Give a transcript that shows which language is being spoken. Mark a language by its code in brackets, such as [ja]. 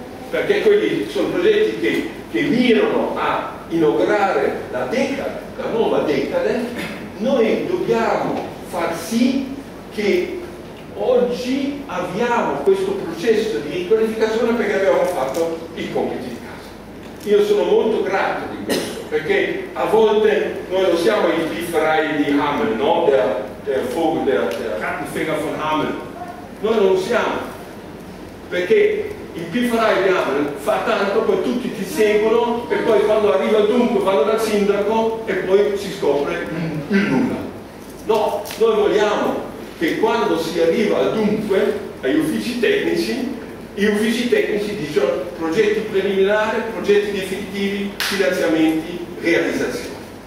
[it] perché quelli sono progetti che mirano a inaugurare la decade, la nuova decade, noi dobbiamo far sì che oggi avviamo questo processo di riqualificazione perché abbiamo fatto i compiti di casa. Io sono molto grato di questo, perché a volte noi non siamo i fraiere di Hamel, no? [de] Der Vogel, der Rattenfänger von Hamel. [it] Noi non siamo, perché il pifferaio di Hamel fa tanto, poi tutti ti seguono e poi quando arriva dunque vanno dal sindaco e poi si scopre il nulla. No, noi vogliamo che quando si arriva dunque agli uffici tecnici dicono progetti preliminari, progetti definitivi, finanziamenti, realizzazioni.